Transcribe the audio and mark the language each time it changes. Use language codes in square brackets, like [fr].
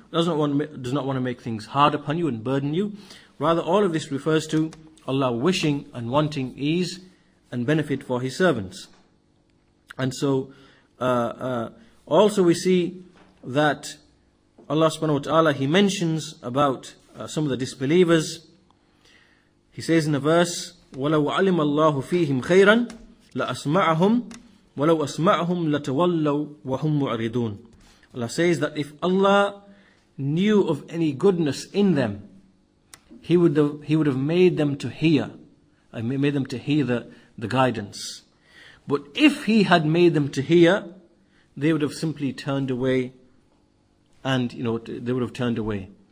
[en] Allah does not want to make things hard upon you and burden you. Rather, all of this refers to Allah wishing and wanting ease and benefit for His servants. And so, also we see that Allah subhanahu wa ta'ala, He mentions about some of the disbelievers. He says in the verse, [ar] وَلَوْ عَلِمَ اللَّهُ فِيهِمْ خَيْرًا لَأَسْمَعَهُمْ وَلَوْ أَسْمَعَهُمْ لَتَوَلَّوْا وَهُمْ مُعْرِضُونَ. [en] Allah says that if Allah knew of any goodness in them, He would have made them to hear. I made them to hear the guidance. But if He had made them to hear, they would have simply turned away, and you know, they would have turned away.